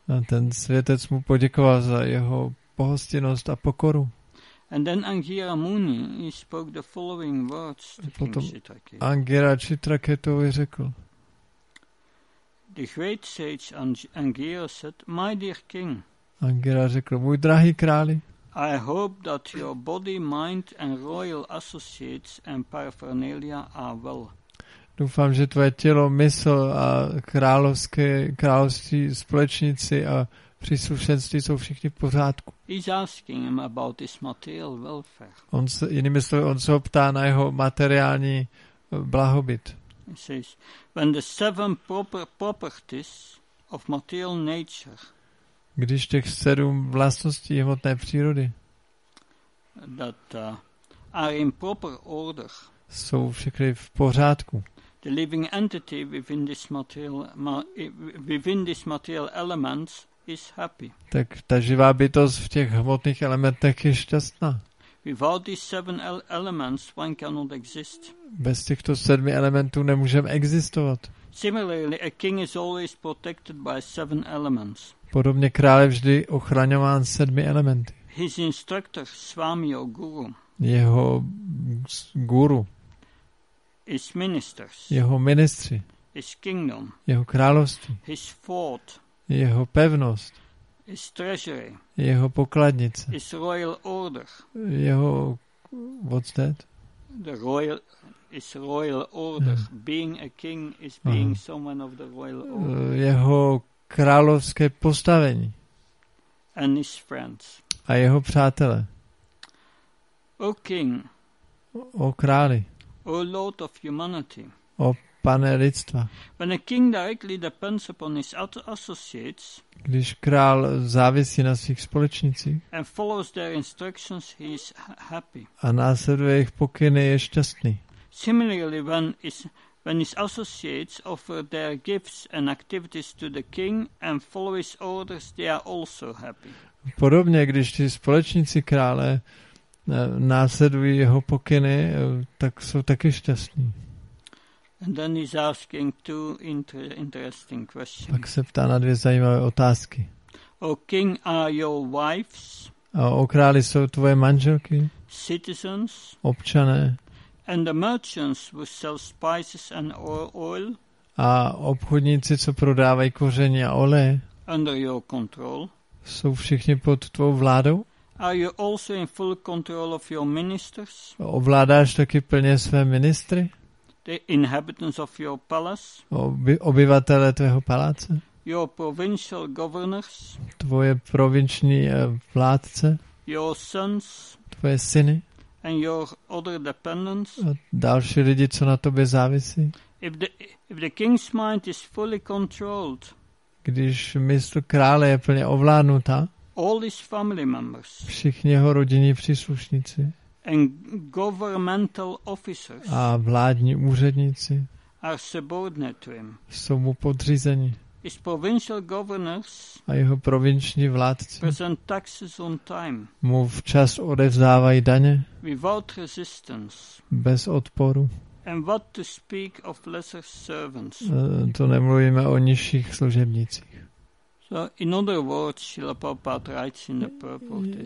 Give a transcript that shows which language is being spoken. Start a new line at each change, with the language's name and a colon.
Czech: A ten světec mu poděkoval za jeho pohostinnost a pokoru.
English: And then Angira Muni spoke the following words to King Shitaketu.
Czech: Angira Chitraketovi řekl.
English: The great sage Angira said, "My dear king."
Czech: Angira řekl, "Můj drahý králi."
English: I hope that your body, mind and royal associates and paraphernalia are well.
Czech: Doufám, že tvoje tělo, mysl a království společníci a příslušenství jsou všichni v pořádku.
English: He's asking him about his material welfare.
Czech: On se ho ptá na jeho materiální blahobyt.
English: He says, when the seven properties of material nature,
Czech: když těch sedm vlastností hmotné přírody,
English: that are in proper order,
Czech: jsou všechny v pořádku.
English: The living entity within this material elements is happy.
Czech: Tak ta živá bytost v těch hmotných elementech je šťastná.
English: Without these seven elements, one cannot exist.
Czech: Bez těchto sedmi elementů nemůžeme existovat.
English: Similarly, a king is always protected by seven elements.
Czech: Podobně král je vždy ochraňován sedmi elementy.
English: His instructor, Swami or Guru.
Czech: Jeho guru.
English: His ministers.
Czech: Jeho ministři.
English: His kingdom.
Czech: Jeho království.
English: His fort.
Czech: Jeho pevnost.
English: His treasury.
Czech: Jeho pokladnice.
English: His royal order.
Czech: Jeho,
English: what's that? His royal order. Yeah. Being a king is being someone of the royal order.
Czech: Jeho královské postavení.
English: And his friends.
Czech: A jeho přátelé.
English: O king.
Czech: O králi.
English: O lord of humanity.
Czech: O pane lidstva.
English: When a king directly depends upon his associates,
Czech: když král závisí na svých společnicích,
English: and follows their instructions, he is happy.
Czech: A následuje jejich pokyny, je šťastný.
English: Similarly, when his associates offer their gifts and activities to the king and follow his orders, they are also happy.
Czech: Podobně, když ti společníci krále následují jeho pokyny, tak jsou taky šťastní.
English: And then he's asking two interesting questions.
Czech: Pak se ptá na dvě zajímavé otázky.
English: O king, are your wives?
Czech: O králi, jsou tvoje manželky?
English: Citizens?
Czech: Občané?
English: And the merchants who sell spices and oil?
Czech: A obchodníci, co prodávají koření a oleje?
English: Under your control?
Czech: Jsou všichni pod tvou vládou?
English: Are you also in full control of your ministers?
Czech: Ovládáš taky plně své ministry?
English: The inhabitants of your palace.
Czech: Obyvatele tvého paláce.
English: Your provincial governors.
Czech: Tvoje provinční vládce.
English: Your sons.
Czech: Tvoje syny.
English: And your other dependents.
Czech: A další lidi, co na tobě závisí.
English: If the king's mind is fully controlled.
Czech: Když mysl krále je plně ovládnuta.
English: All his family members.
Czech: Všichni jeho rodinní příslušníci.
English: And governmental officers
Czech: a vládní úředníci
English: are subordinate to him.
Czech: Jsou mu podřízeni.
English: His provincial governors
Czech: a jeho provinční vládci
English: present taxes on time.
Czech: Mu včas odevzdávají daně
English: without resistance.
Czech: Bez odporu.
English: And what to speak of lesser servants.
Czech: To nemluvíme o nižších služebnicích.
English: So in other words, Srila Prabhupada writes in the purport.